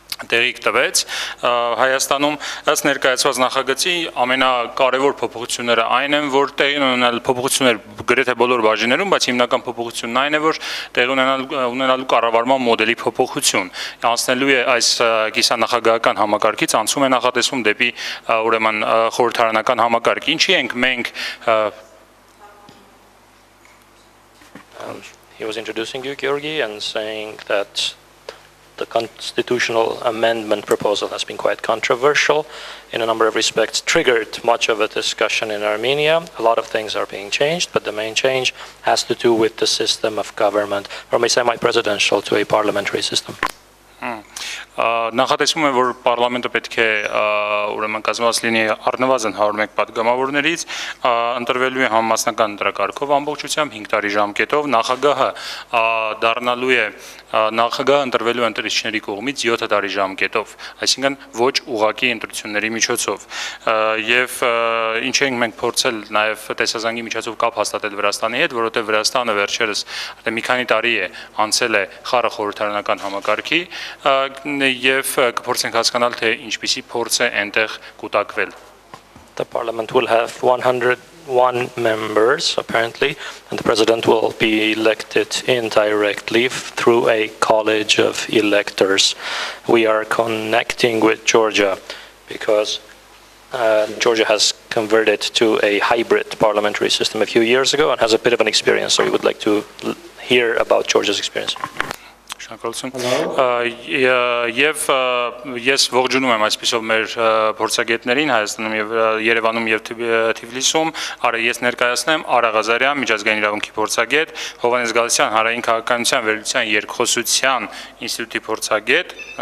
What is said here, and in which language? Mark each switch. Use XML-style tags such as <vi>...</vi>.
<hy>տեղիք տվեց Հայաստանում։ Ըստ ներկայացված նախագծի ամենակարևոր փոփոխությունները այն են, որ տեղի ունենալ փոփոխություններ գրեթե բոլոր բաժիններում, բայց հիմնական փոփոխությունն այն է, որ տեղի ունենալու կառավարման մոդելի փոփոխություն։ Անցնելու է այս կիսանախագահական համակարգից, անցում է նախատեսում դեպի ուրեմն խորհրդարանական համակարգ։ Ինչի ենք մենք</hy> <en>He was introducing you, Georgi, and saying that the constitutional amendment proposal has been quite controversial in a number of respects, triggered much of a discussion in Armenia. A lot of things are being changed, but the main change has to do with the system of government from a semi-presidential to a parliamentary system.</en> <hy>Նախատեսվում է, որ պարլամենտը պետք է ուրեմն կազմված լինի առնվազն 101 պատգամավորներից, ընտրվելու է համամասնական ընտրակարգով ամբողջությամբ 5 տարի ժամկետով, նախագահը դառնալու է նախագահը ընտրվելու ընտրիչների կողմից 7 տարի ժամկետով, այսինքն ոչ ուղղակի ընտրությունների միջոցով, եւ ինչ ենք մենք փորձել նաեւ տեսազանգի միջոցով կապ հաստատել Վրաստանի հետ, որովհետեւ Վրաստանը վերջերս արդեն մի քանի տարի է անցել է խառը խորհրդարանական համակարգի եւ կփորձենք հասկանալ, թե ինչպիսի փորձ է այնտեղ կուտակվել։</hy> <en>The parliament will have 101 members apparently, and the president will be elected indirectly through a college of electors. We are connecting with Georgia because Georgia has converted to a hybrid parliamentary system a few years ago and has a bit of an experience, so we would like to hear about Georgia's experience.</en> <hy>Եվ ես ողջունում եմ այսպիսով մեր փորձագետներին Հայաստանում և Երևանում և Թիֆլիսում, ես ներկայացնեմ Արագ Ղազարյան, միջազգային իրավունքի փորձագետ, Հովհաննես Գալստյան, հանրային քաղաքականության վերլուծության երկխոսության ինստիտուտի փորձագետ,</hy>